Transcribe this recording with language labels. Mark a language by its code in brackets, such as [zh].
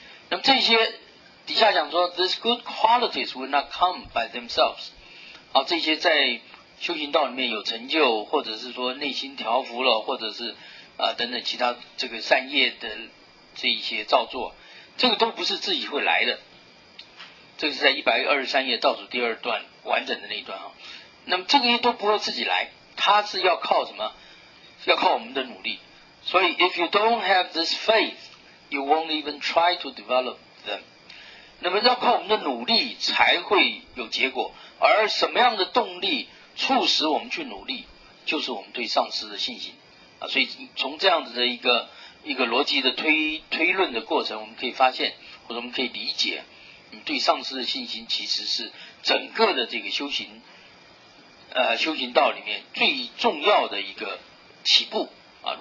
[zh] 那么这些底下讲说 [en] These good qualities will not come by themselves、 [zh] 这些在修行道里面有成就，或者是说内心调伏了，或者是等等其他这个善业的这一些造作，这个都不是自己会来的。这是在123页倒数第二段完整的那一段啊。那么这个都不会自己来，它是要靠什么？要靠我们的努力。所以 [en] if you don't have this faith, you won't even try to develop them. [zh] 那么要靠我们的努力才会有结果，而什么样的动力促使我们去努力，就是我们对上师的信心啊。所以从这样子的一个逻辑的推论的过程，我们可以发现，或者我们可以理解，对上师的信心其实是整个的这个修行道里面最重要的一个起步啊。